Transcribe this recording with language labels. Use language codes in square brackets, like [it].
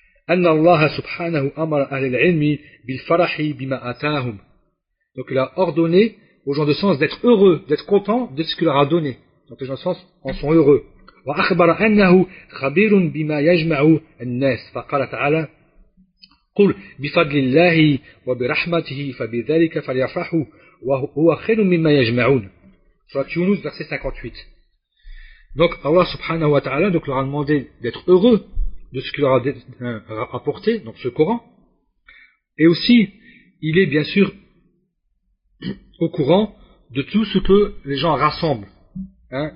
[ar] أن الله سبحانه أمر أهل العلم بالفرح بما أتاهم. [fr] Donc il a ordonné aux gens de science d'être heureux, d'être contents de ce qu'il leur a donné. Donc les gens de science en sont heureux. [ar] وأخبر أنه خبير بما يجمع الناس. فقال تعالى قل بفضل الله وبرحمته فبذلك فليفرحوا وهو خير مما يجمعون. [fr] Surat Yunus verset 58. Donc Allah subhanahu wa ta'ala donc leur a demandé d'être heureux de ce qu'il leur a apporté, donc ce Coran. Et aussi, il est bien sûr au courant de tout ce que les gens rassemblent. Hein?